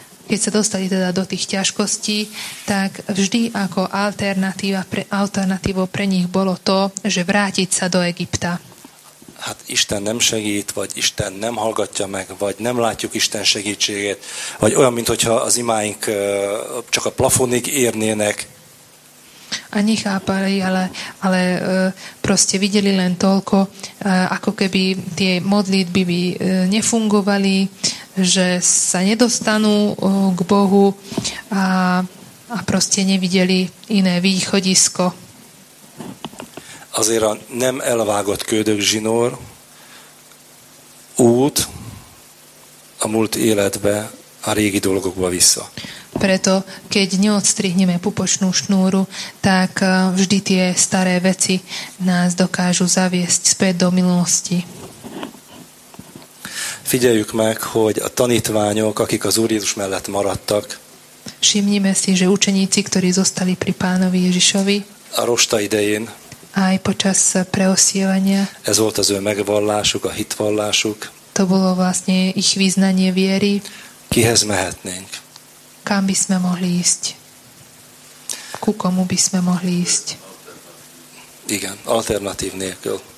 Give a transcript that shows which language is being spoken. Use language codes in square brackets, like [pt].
[sk] Keď sa dostali teda do tých ťažkostí, tak vždy ako alternatívou pre nich bolo to, že vrátiť sa do Egypta. [hu] Hát Isten nem segít, vagy Isten nem hallgatja meg, vagy nem látjuk Isten segítségét, vagy olyan, mintha az imáink csak a plafonig érnének. [sk] A nechápali, ale proste videli len toľko, ako keby tie modlitby by nefungovali, že sa nedostanú k Bohu a proste nevideli iné východisko. [hu] Azért a nem elvágott ködök zsinór út a múlt életbe, a régi dolgokba vissza. [sk] Preto, keď neodstrihneme pupočnú šnúru, tak vždy tie staré veci nás dokážu zaviesť späť do minulosti. [hu] Figyeljük meg, hogy a tanítványok, akik az Úr Jézus mellett maradtak, [sk] všimnime si, že učeníci, ktorí zostali pri pánovi Ježišovi, [hu] a rosta idején, [sk] aj počas preosievania, [hu] ez volt az ő megvallásuk, a hitvallásuk, [sk] to bolo vlastne ich vyznanie viery, [hu] kihez mehetnénk? [sk] Kam by sme mohli ísť? Ku komu by sme mohli ísť? [hu] Igen, alternatív nélkül.